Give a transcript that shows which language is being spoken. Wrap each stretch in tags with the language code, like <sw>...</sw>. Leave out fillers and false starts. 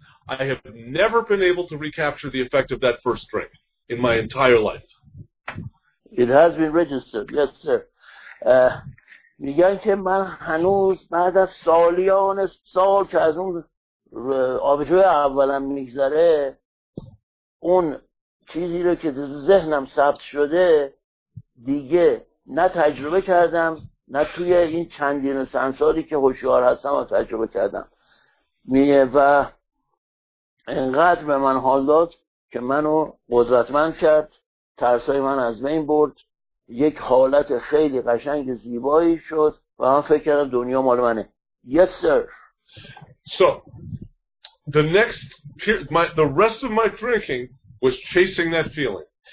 <en>I have never been able to recapture the effect of that first drink in my entire life. It has been registered, yes sir.</en> <fa>میگن که من هنوز بعد از سالیان سال که از اون آبجوی اولم میگذره اون چیزی رو که در ذهنم ثبت شده دیگه نه تجربه کردم نه توی این چندین سنساری که هوشیار هستم و تجربه کردم میگه و انقدر به من حال داد که منو قدرتمند کرد، ترسای من از بین برد، یک حالت خیلی قشنگ زیبایی شد و من فکر کردم دنیا مال منه.</fa> <en>Yes sir. So the next the rest of my drinking was chasing that feeling.</en>